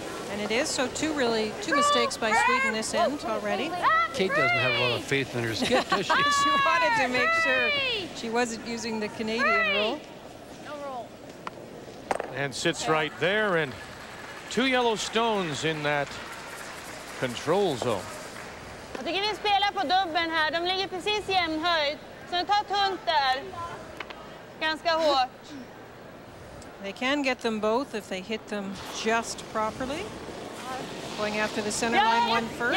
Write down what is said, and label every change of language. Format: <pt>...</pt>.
<en>And it is, so two mistakes by Sweden this end already. Kate doesn't have a lot of faith in her skip, does she? She wanted to make sure she wasn't using the Canadian rule. No rule. And sits right there, and two yellow stones in that control zone.</en> <sv>Jag tycker vi spelar på dubben här. De ligger precis jämnhöjd. Så ta tunt där. Ganska hårt.</sv> <en>They can get them both if they hit them just properly. Going after the center line one first.</en>